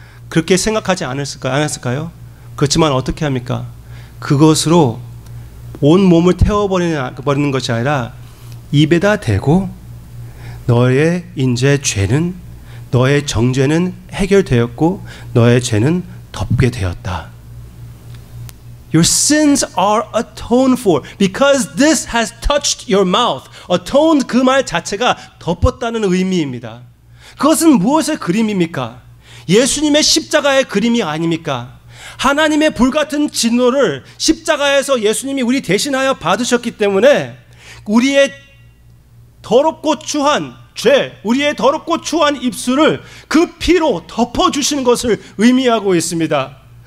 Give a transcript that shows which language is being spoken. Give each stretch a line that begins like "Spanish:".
Korean: 그렇게 생각하지 않았을까요? 그렇지만 어떻게 합니까? 그것으로 온 몸을 태워버리는 것이 아니라 입에다 대고 너의 이제 죄는 너의 정죄는 해결되었고 너의 죄는 덮게 되었다.
English: Your sins are atoned for because this has touched your mouth.
Korean: Atoned 그 말 자체가 덮었다는 의미입니다. 그것은 무엇의 그림입니까? 예수님의 십자가의 그림이 아닙니까? 하나님의 불같은 진노를 십자가에서 예수님이 우리 대신하여 받으셨기 때문에 우리의 더럽고 추한 죄, 우리의 더럽고 추한 입술을 그 피로 덮어주시는 것을 의미하고 있습니다.